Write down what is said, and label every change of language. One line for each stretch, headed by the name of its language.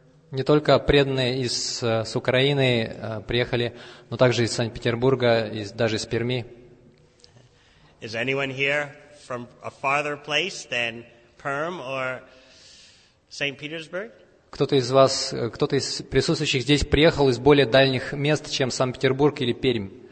Russian: Не только преданные из с Украины приехали, но также из Санкт-Петербурга, даже из Перми.
English: Is anyone here from a farther place than Perm or St. Petersburg?
Russian: Кто-то из присутствующих здесь приехал из более дальних мест, чем Санкт-Петербург или Пермь?